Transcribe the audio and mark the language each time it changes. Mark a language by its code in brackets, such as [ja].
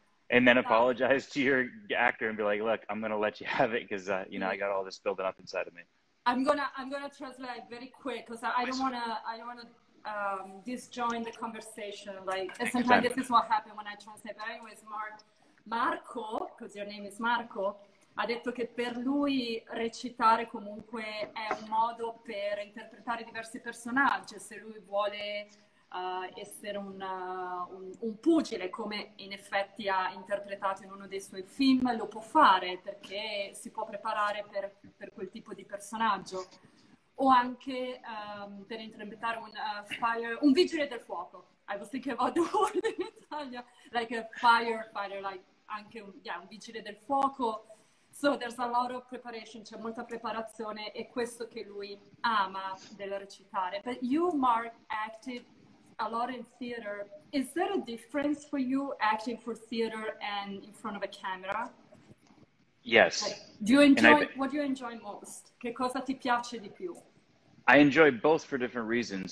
[en] And then apologize to your actor and be like, look, I'm gonna let you have it because I got all this building up inside of me. I'm gonna translate very quick because I don't wanna disjoin the conversation. Like sometimes this is what happens when I translate. But anyways, Marco, because your name is Marco. [it] ha detto che per lui recitare comunque è un modo per interpretare diversi personaggi, se lui vuole essere un pugile, come in effetti ha interpretato in uno dei suoi film, lo può fare perché si può preparare per quel tipo di personaggio. O anche per interpretare un vigile del fuoco. [en] I was thinking about the word in Italian, like a firefighter, like [it] anche un vigile del fuoco. [en] So there's a lot of preparation, [it] c'è molta preparazione, e questo che lui ama del recitare. [en] But you, Mark, acted a lot in theater. Is there a difference for you acting for theater and in front of a camera? Yes. Like, what do you enjoy most? [it] Che cosa ti piace di più? [en] I enjoy both for different reasons.